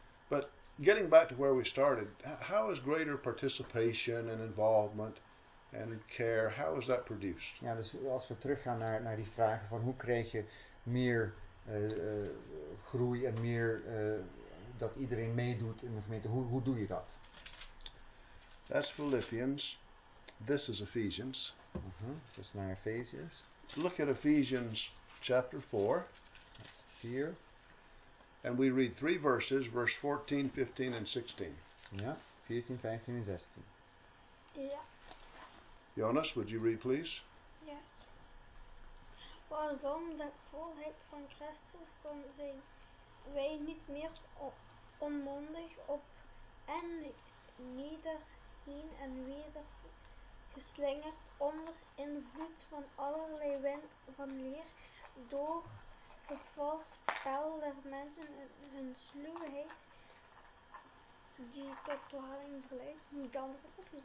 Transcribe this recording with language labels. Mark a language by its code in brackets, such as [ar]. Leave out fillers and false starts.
[en] But getting back to where we started, how is greater participation and involvement and care, how is that produced? [nl] Ja, dus als we teruggaan naar die vragen van hoe krijg je meer groei en meer dat iedereen meedoet in de gemeente. Hoe doe je dat? [en] That's Philippians. This is Ephesians. [nl] Dus naar Ephesians. [en] Look at Ephesians chapter 4. [nl] Vier. [en] And we read three verses, verse 14, 15 and 16. [nl] Ja, 14, 15 en 16. Ja. [en] Jonas, would you read please? Yes. [nl] Was dan de volheid van Christus, dan zijn wij niet meer onmondig op en nederheen en weder geslingerd onder invloed van allerlei wind van leer door het vals spel der mensen en hun sluwheid die tot dwaling verleidt, niet andere oefens.